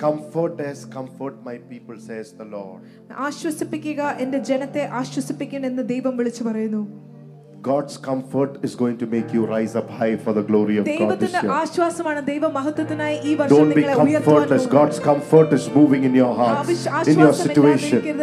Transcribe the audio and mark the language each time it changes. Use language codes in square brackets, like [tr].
[en] comfort as comfort my people, says the Lord. [ml] ആശ്വസിപ്പിക്കുക എന്റെ ജനത്തെ ആശ്വസിപ്പിക്കണം എന്ന് ദൈവം വിളിച്ചു പറയുന്നു. [en] God's comfort is going to make you rise up high for the glory of God this year. Don't be comfortless. God's comfort is moving in your heart, in your situation.